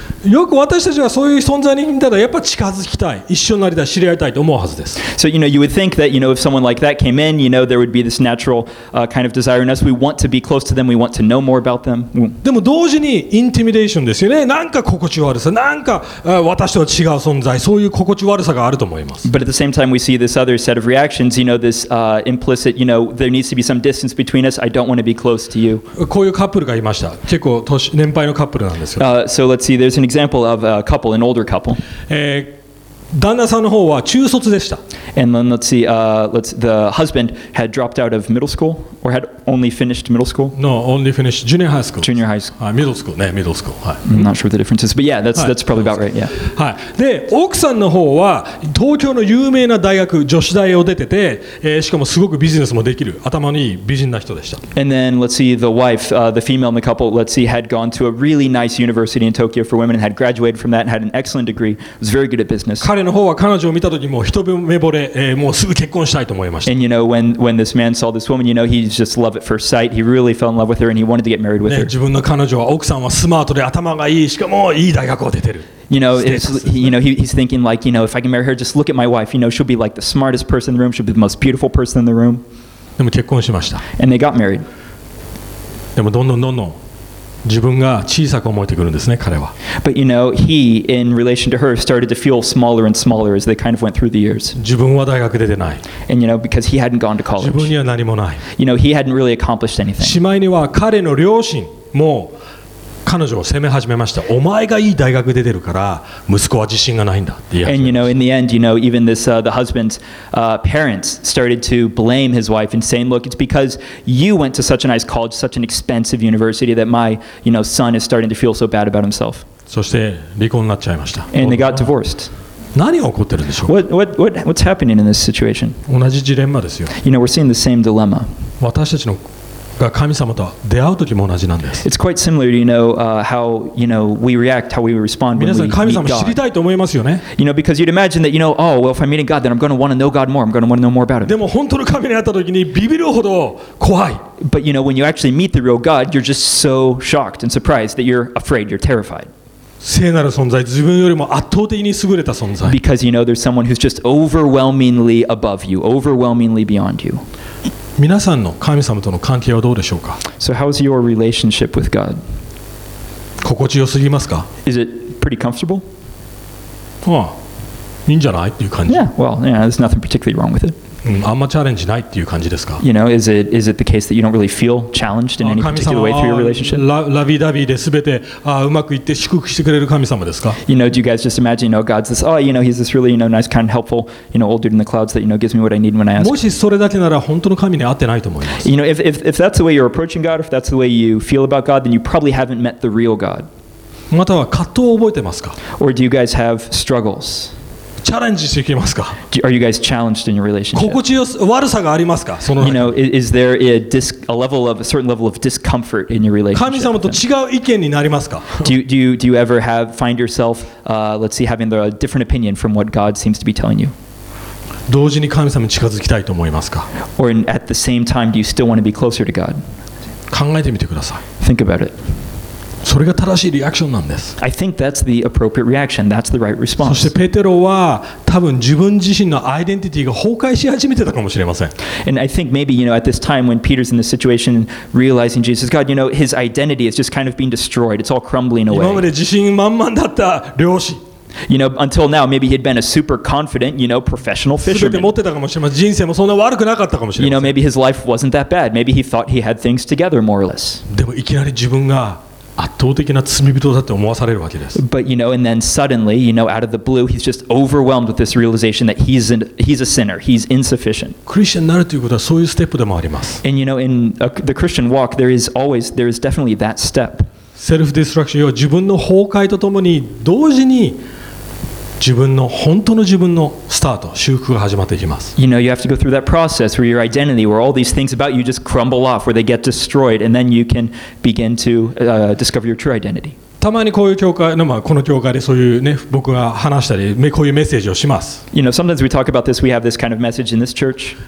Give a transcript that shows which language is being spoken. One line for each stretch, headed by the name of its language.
Japanese: よく私たちはそういう存在にいたらやっぱ近づきたい、一緒になりたい、知り合いたいと思うはずです。
English: So you know, you would think that you know, if someone like that came in, you know, there would be this natural kind of desire in us. We want to be close to them. We want to know more about them.
Japanese: でも同時にインティミデーションですよね。なんか心地悪さ、なんか私とは違う存在、そういう心地悪さがあると思います。
English: But at the same time, we see this other set of reactions. You know, this implicit, you know, there needs to be some distance between us. I don't want to be close to you.
Japanese: こういうカップルがいました。結構年配のカップルなんですよ。
English: So let's see. There's an example of a couple, an older couple.
Japanese: 旦那さんの方は中卒でした。
English: And then let's see, the husband had dropped out of middle school or had only finished middle school? No, only finished junior high school. Junior high school. Middle school, ね、middle school. I'm not sure what the difference is, but yeah, that's probably about right, yeah.
Japanese: はい。で、奥さんの方は東京の有名な大学、女子大を出てて、しかもすごくビジネスもできる、頭のいい美人な人でした。
English: And then let's see, the wife, the female in the couple, let's see, had gone to a really nice university in Tokyo for women and had graduated from that and had an excellent degree, was very good at business.
Japanese: 彼の方は彼女を見た時も一目惚れ、もうすぐ結婚したいと思いました。
English: And you know, when this man saw this woman, you know, he's just love at first sight. He really fell in love with her and he wanted to get married with her.
Japanese: 自分の彼女は奥さんはスマートで頭がいい、しかもいい大学を出てる。
English: You know, he's thinking like, you know, if I can marry her, just look at my wife. You know, she'll be like the smartest person in the room. She'll be the most beautiful person in the room.
Japanese: でも結婚しました。
English: And they got married.
Japanese: でもどんどん自分が小さく思えてくるんですね、彼は。
English: But you know, he, in relation to her, started to feel smaller and smaller as they kind of went through the years.
Japanese: 自分は大学出てない。
English: And you know, because he hadn't gone to college.
Japanese: 自分には何もない。
English: You know, he hadn't really accomplished anything.
Japanese: しまいには彼の両親も彼女を責め始めました。お前がいい大学出てるから息子は自信がないんだって言い始めました。
English: And you know, in the end, you know, even this, the husband's parents started to blame his wife and saying, look, it's because you went to such a nice college, such an expensive university that my, you know, son is starting to feel so bad about himself.
Japanese: そして離婚になっちゃいました。
English: And they got divorced.
Japanese: 何が起こってるんでしょう。
English: What's happening in this situation?
Japanese: 同じジレンマですよ。
English: You know, we're seeing the same dilemma.
Japanese: 私たちのが神様と出会う時も同じなんです
English: 。It's quite similar, you know, how you know we react, how we respond when we meet God.
Japanese: 皆さん神様知りたいと思いますよね。
English: You know, because you'd imagine that, you know, oh, well, if I'm meeting God, then I'm going to want to know God more. I'm going to want to know more about Him.
Japanese: でも本当の神に会った時にビビるほど怖い。
English: But you know, when you actually meet the real God, you're just so shocked and surprised that you're afraid, you're terrified.
Japanese: 聖なる存在、自分よりも圧倒的に優れた存在。
English: Because you know there's someone who's just overwhelmingly above you, overwhelmingly beyond you.
Japanese: 皆さんの神様との関係はどうでしょうか。
English: So how's your relationship with God?
Japanese: 心地よすぎますか。
English: Is it pretty comfortable?
Japanese: ああ、いいんじゃないっていう感じ。
English: Yeah, well, yeah, there's nothing particularly wrong with it.
Japanese: あんまチャレンジないっていう感じですか。
English: You know, is it the case that you don't really feel challenged in any particular way through your relationship?
Japanese: ラビダビで全てうまくいって祝福してくれる神様ですか。
English: You know, do you guys just imagine, you know, God's this, oh, you know, he's this really, you know, nice, kind, helpful, you know, old dude in the clouds that, you know, gives me what I need when I ask.
Japanese: もしそれだけなら本当の神に会ってないと思います。
English: You know, if that's the way you're approaching God, if that's the way you feel about God, then you probably haven't met the real God.
Japanese: または葛藤を覚えてますか。
English: Or do you guys have struggles?
Japanese: チャレンジしていきますか。
English: Are you guys challenged in your relationship?
Japanese: 心地よす、悪さがありますか。その。
English: You know, is there a level of a certain level of discomfort in your relationship?
Japanese: 神様と違う意見になりますか。
English: Do you ever find yourself, let's see, having a different opinion from what God seems to be telling you?
Japanese: 同時に神様に近づきたいと思いますか。
English: Or at the same time, do you still want to be closer to God?
Japanese: 考えてみてください。
English: Think about it.
Japanese: それが正しいリアクションなんです。
English: I think that's the appropriate reaction. That's the right response.
Japanese: そしてペテロは多分自分自身のアイデンティティが崩壊し始めてたかもしれません。
English: And I think maybe, you know, at this time when Peter's in this situation, realizing Jesus God, you know, his identity is just kind of being destroyed. It's all crumbling away.
Japanese: 今まで自信満々だった漁師。
English: You know, until now, maybe he'd been a super confident, you know, professional fisherman.
Japanese: 全て持ってたかもしれません。人生もそんな悪くなかったかもしれない。
English: You know, maybe his life wasn't that bad. Maybe he thought he had things together, more or less.
Japanese: でもいきなり自分が圧倒的な罪人だって思わされるわけです。
English: But you know, and then suddenly, you know, out of the blue, he's just overwhelmed with this realization that he's a sinner, he's insufficient.
Japanese: クリスチャンになるということはそういうステップでもあります。
English: And you know, in the Christian walk, there is definitely that step. Self destruction
Japanese: は自分の崩壊とともに同時に自分の本当の自分のスタート、修復が始まっていきます。
English: You know, you have to go through that process where your identity, where all these things about you just crumble off, where they get destroyed, and then you can begin to discover your true identity.
Japanese: たまにこういう教会の、まあ、この教会でそういうね、僕が話したり、こういうメッセージをします。
English: You know, sometimes we talk about this, we have this kind of message in this church.